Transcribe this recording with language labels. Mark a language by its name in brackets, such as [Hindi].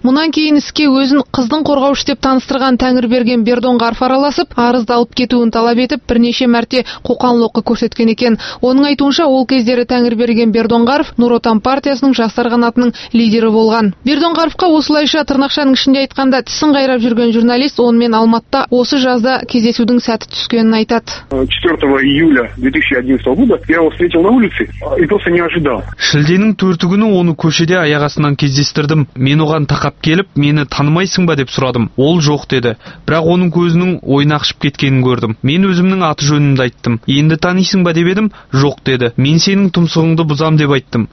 [Kazakh] Мұнан кейін іске өзін қыздың қорғаушы деп таныстырған Тәңірберген Бердоңғаров араласып, арызды алып кетуін талап етіп, бірнеше мәрте қоқан-лоққы көрсеткен екен. Оның айтуынша, ол кездері Тәңірберген Бердоңғаров Нұр Отан партиясының жастар қанатының лидері болған. Бердоңғаровқа осылайша тырнақшаның ішінде айтқанда тісін қайрап жүрген журналист онымен Алматыда осы жазда кездесудің сәті түскенін айтады. [Russian] 4 июля 2011 года я его встретил на улице и просто неожиданно. [Kazakh] Шілденің 4-ші күні оны көшеде кездестірдім. Мен оған тақап келіп, мені танымайсың ба деп сұрадым. Ол жоқ деді. Бірақ оның көзінің ойнақшып кеткенін көрдім. Мен өзімнің аты жөнімді айттым. Енді танисың ба деп едім, жоқ деді. Мен сенің тұмсығыңды бұзам деп айттым.